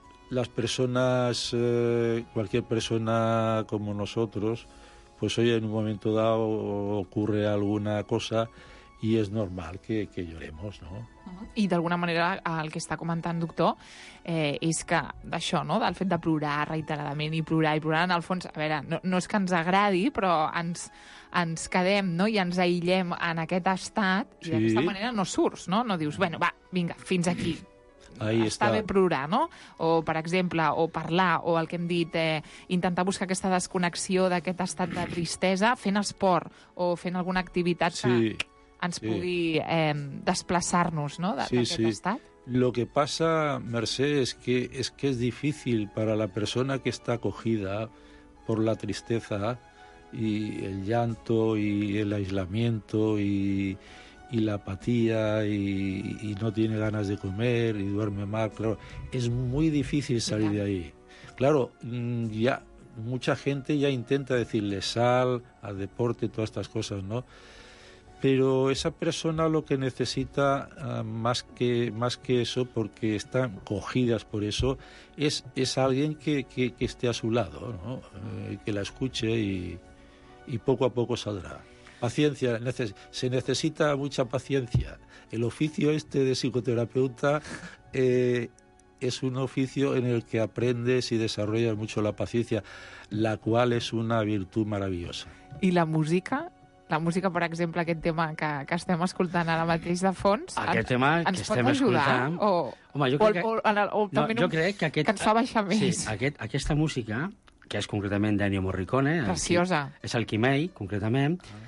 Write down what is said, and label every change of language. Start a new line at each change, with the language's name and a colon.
Spanish: Las personas, cualquier persona como nosotros, pues hoy en un momento dado ocurre alguna cosa y es normal que lloremos, ¿no?
Catalan: I d'alguna manera el que està comentant, doctor, és que d'això, no? Del fet de plorar reiteradament i plorar, en el fons, a veure, no és que ens agradi, però ens quedem, no? I ens aïllem en aquest estat i d'aquesta manera no surts, no? No dius, bueno, va, vinga, fins aquí.
Spanish: Ahí
Catalan: està bé plorar, no? O, per exemple, o parlar, o el que hem dit, intentar buscar aquesta desconnexió d'aquest estat de tristesa fent esport o fent alguna activitat que ens pugui desplaçar-nos, no?, d'aquest estat.
Spanish: Lo que pasa, Mercè, es que es difícil para la persona que está acogida por la tristeza y el llanto y el aislamiento y la apatía y no tiene ganas de comer y duerme mal, claro, es muy difícil salir de ahí. Claro, ya mucha gente ya intenta decirle sal, al deporte, todas estas cosas, ¿no? Pero esa persona lo que necesita más que eso, porque están cogidas por eso, es alguien que esté a su lado, ¿no? Que la escuche y poco a poco saldrá. Paciencia, se necesita mucha paciencia. El oficio este de psicoterapeuta es un oficio en el que aprendes y desarrollas mucho la paciencia, la cual es una virtud maravillosa. ¿Y la música?
Catalan: La música, per exemple, aquest tema que estem escoltant ara mateix de fons... Aquest tema que estem escoltant... Home, jo crec que ens fa baixar més. Sí, aquesta música, que és concretament d'Ennio Morricone... Preciosa. És Alchimei, concretament.